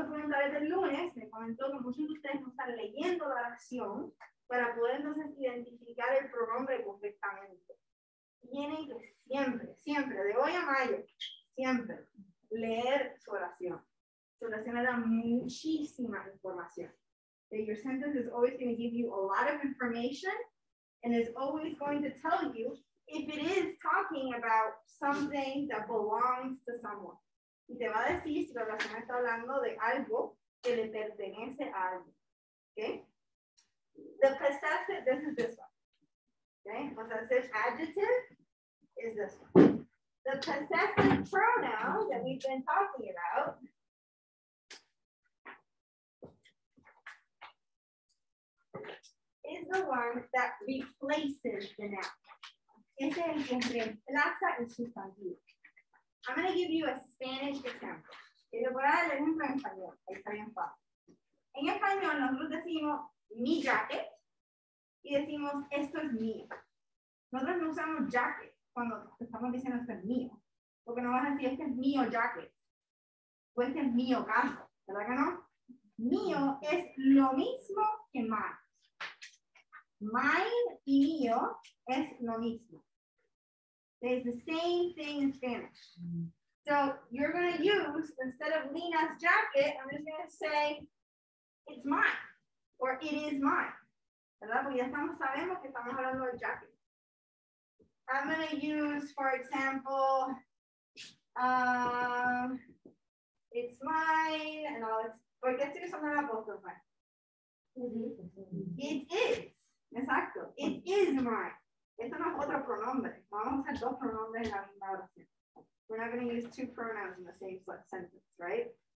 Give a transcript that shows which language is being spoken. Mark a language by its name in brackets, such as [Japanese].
[Spanish] Uno de los comentarios del lunes me comentó que muchos de ustedes no están leyendo la oración para poder entonces identificar el pronombre correctamente. Tienen que siempre, de hoy a mayo, siempre leer su oración. Su oración le da muchísima información. [English] That your sentence is always going to give you a lot of information and is always going to tell you if it is talking about something that belongs to someone. [Spanish] Y te va a decir si la persona está hablando de algo que le pertenece a alguien. [English] Okay? The possessive, this is this one. Okay? Possessive adjective is this one. The possessive pronoun that we've been talking about. Is the one that replaces the noun. I'm going to give you a Spanish example. [Spanish] Y le voy a dar el ejemplo en español. Está bien fácil. En español, nosotros decimos mi jacket y decimos esto es mío. Nosotros no usamos jacket cuando estamos diciendo esto es mío. Porque no vas a decir este es mío jacket. O este es mío caso. ¿Verdad que no? Mío es lo mismo que mine. Mine y mío es lo mismo. [English] It's the same thing in Spanish. So you're going to use, instead of Lena's jacket, I'm just going to say, it's mine, or it is mine. [Spanish] ¿Verdad? Porque ya estamos sabemos que estamos hablando del jacket. [English] I'm going to use, for example, it's mine, and all it's, or get to something about both of mine. [Spanish] It is. Exacto. [English] It is mine. [Spanish] Esto no es otro pronombre. Vamos a usar dos pronombres en la misma oración. [English] We're not going to use two pronouns in the same sentence, right?